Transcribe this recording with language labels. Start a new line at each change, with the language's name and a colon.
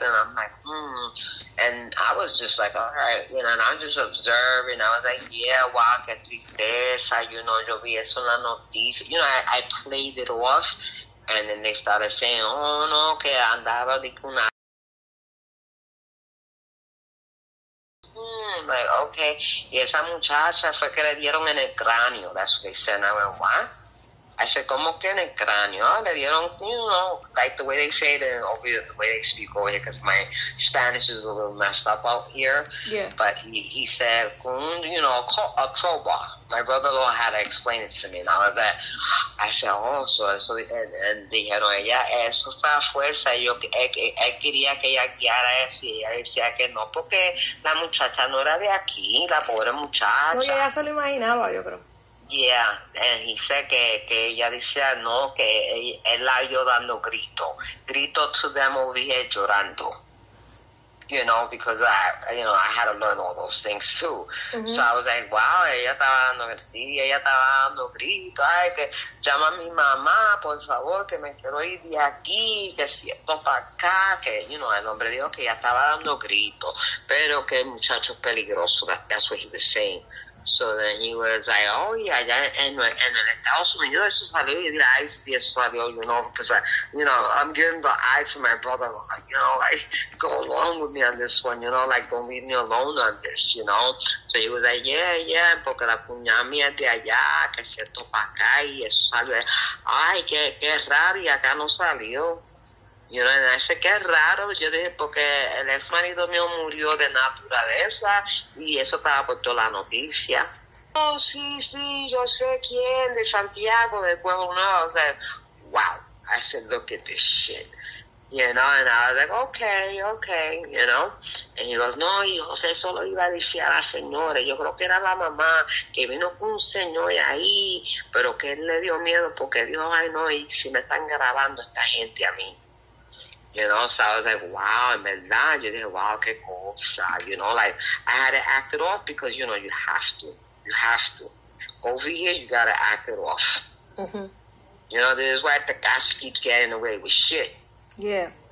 English: And I'm like, And I was just like, all right, you know, and I'm just observing. I was like, yeah, wow,
Spanish: que tristeza,
English: you know,
Spanish: yo vi eso en la noticia.
English: You know, I played it off, and then they started saying, oh, no,
Spanish: que andaba de una.
English: Like, okay,
Spanish: y esa muchacha fue que le dieron en el cráneo.
English: That's what they said. And I went, what? I said,
Spanish: ¿cómo que en el cráneo?
English: Oh,
Spanish: le dieron,
English: you know, like the way they say it and over the way they speak over here, because my Spanish is a little messed up out here. Yeah. But he said, you know, a crowbar. My brother-in-law had to explain it to me. And I was like, I said, oh, so and
Spanish: dijeron, ella, eso fue a fuerza. Yo quería que ella guiara eso. Y ella decía que no, porque la muchacha no era de aquí, la pobre muchacha. No, ella se lo imaginaba, yo creo.
English: Yeah, and he said
Spanish: que ella decía no, que él la vio dando grito
English: to them over here
Spanish: llorando,
English: you know, because I had to learn all those things too.
Spanish: Mm-hmm.
English: So I was like, wow,
Spanish: ella estaba dando grito, ay, que llama a mi mamá, por favor, que me quiero ir de aquí, que siento para acá, que,
English: you know,
Spanish: el hombre dijo que ella estaba dando grito, pero que el muchacho es peligroso,
English: that's what he was saying. So then he was like, oh, yeah,
Spanish: ya,
English: and in
Spanish: Estados Unidos, eso salió,
English: y dije, ay, sí, eso salió, you know, because, you know, I'm giving the eye to my brother, like, you know, like, go along with me on this one, you know, like, don't leave me alone on this, you know. So he was like, yeah,
Spanish: porque la cuñada mía es de allá, que se topa acá, y eso salió. Ay, qué raro, y acá no salió.
English: You know, and I said,
Spanish: qué raro. Yo dije, porque el ex marido mío murió de naturaleza y eso estaba por toda la noticia. Oh, sí, yo sé quién, de Santiago, del Pueblo Nuevo.
English: I said, wow. I said, look at this shit. You know, and I was like, okay, you know. And he goes,
Spanish: no, y José solo iba a decir a la señora. Yo creo que era la mamá que vino con un señor ahí, pero que él le dio miedo porque dijo, ay, no, y si me están grabando esta gente a mí.
English: You know, so I was like, wow,
Spanish: en verdad, yo dije, wow, qué cosa,
English: you know, like, I had to act it off because, you know, you have to. Over here, you gotta act it off. Mm-hmm. You know, this is why Tekashi keeps getting away with shit. Yeah.